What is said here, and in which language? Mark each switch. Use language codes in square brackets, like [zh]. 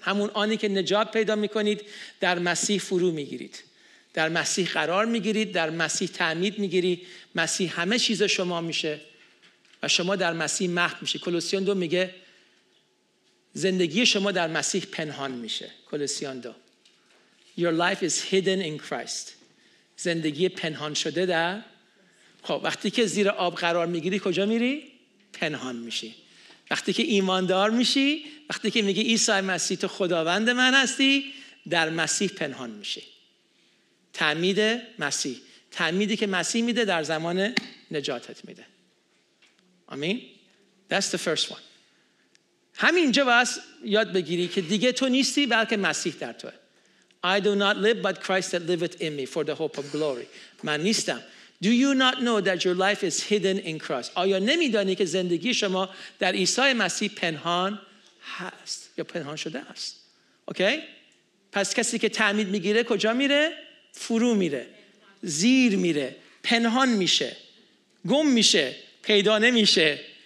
[fa] همون آنی که نجات پیدا میکنید در مسیح فرو میگیرید، در مسیح قرار میگیرید، در مسیح تعمید میگیری، مسیح همه چیز شما میشه و شما در مسیح محو میشه. کلوسیان 2 میگه زندگی شما در مسیح پنهان میشه. [en] کلوسیان 2 Your life is hidden in Christ. [fa] زندگی پنهان شده در، خب وقتی که زیر آب قرار میگیری کجا میری؟ پنهان میشی. وقتی که ایماندار میشی، وقتی که میگی عیسی مسیح تو خداوند من هستی، در مسیح پنهان میشی. تعمید مسیح، تعمیدی که مسیح میده در زمان نجاتت میده. آمین. [en] That's the first one. [fa] همینجا واسه یاد بگیری که دیگه تو نیستی بلکه مسیح در توه. [en] I do not live but Christ that liveth in me for the hope of glory. [fa] من نیستم. [en] Do you not know that your life is hidden in Christ? [fa] آیا نمیدانی که زندگی شما در عیسی مسیح پنهان هست یا پنهان شده است؟ اوکی؟ پس کسی که تعمید میگیره کجا میره؟ فرو میره. زیر میره. پنهان میشه. گم میشه. پیدا نمیشه.